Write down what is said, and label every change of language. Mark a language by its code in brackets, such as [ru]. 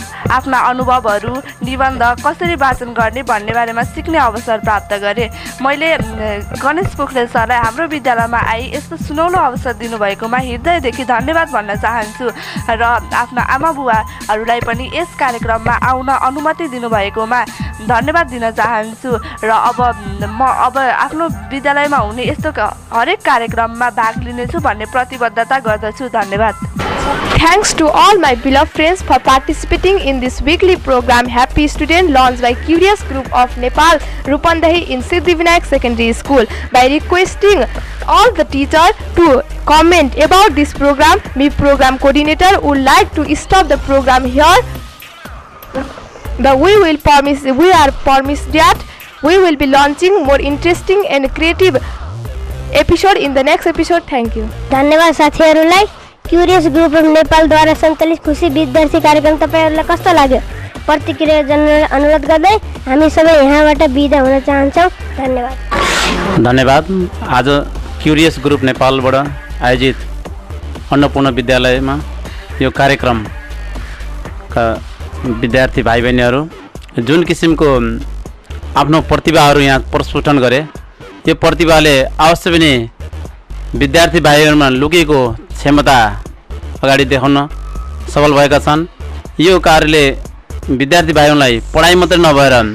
[ne] आफ्ना अनुभवहरू निबन्ध कसरी वाचन गर्ने भन्ने बारेमा सिक्ने अवसर प्राप्त गरेँ मैले गणेश पोखरेल सरलाई हाम्रो विद्यालयमा आई यस्तो सुनौलो अवसर दिनुभएकोमा हृदयदेखि धन्यवाद भन्न चाहन्छु र आफ्ना आमा बुवाहरूलाई पनि यस कार्यक्रममा आउन अनुमति दिनुभएकोमा धन्यवाद दिन चाहन्छु र अब म अब आफ्नो विद्यालयमा हुने यस्तो हरेक कार्यक्रममा भाग लिनेछु भन्ने प्रतिबद्धता गर्दछु धन्यवाद [en] Thanks to all my beloved friends for participating in this weekly program Happy Student launched by Curious Group of Nepal Rupandahi in Siddhi Vinayak Secondary School by requesting all the teachers to comment about this program my program coordinator would like to stop the program here that we will be launching more interesting and creative episode in the next episode. Thank you. [ne] धन्यवाद साथीहरुलाई curious group of Nepal द्वारा संचालित खुशी विद्यार्थी कार्यक्रम तपाईहरुलाई कस्तो लाग्यो प्रतिक्रिया जनाउन अनुरोध गर्दै हामी सबै यहाँबाट बिदा हुन चाहन्छौ धन्यवाद धन्यवाद आज क्यूरियस ग्रुप नेपालबाट आयोजित अन्नपूर्ण विद्यालयमा यो कार्यक्रम का विद्यार्थी भाइबहिनीहरु जुन किसिमको आफ्नो प्रतिभाहरु यहाँ प्रस्फुटन गरे यो प्रतिभाले अवश्य पनि विद्यार्थी भाइहरुमा लुकेको क्षमता अगाडि देखाउन सफल भएका छन् यो कार्यले विद्यार्थी भाइहरुलाई पढाइ मात्र नभएर